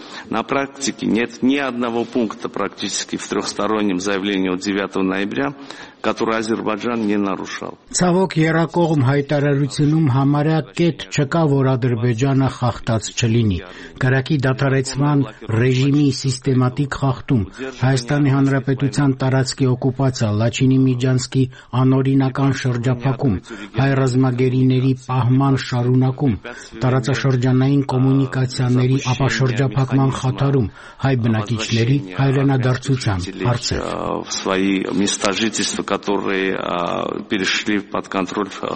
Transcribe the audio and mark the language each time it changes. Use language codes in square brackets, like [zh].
[ru] На практике нет ни одного пункта практически в трехстороннем заявлении от 9 ноября, который Азербайджан не нарушал. [hy] Ցավոք երակողում հայտարարությունում համարյա կետ չկա, որ Ադրբեջանը խախտած չլինի։ Կրակի դատարացման ռեժիմի սիստեմատիկ խախտում, Հայաստանի Հանրապետության տարածքի օկուպացիա, Լաչինի Միջանցքի անօրինական շրջափակում, հայ ռազմագերիների պահման շարունակում, տարածաշրջանային կոմունիկացիաների ապաշրջափակման խաթարում, հայ բնակիչների հայրենադարձության հարցեր։ [ru] Которые перешли под контроль.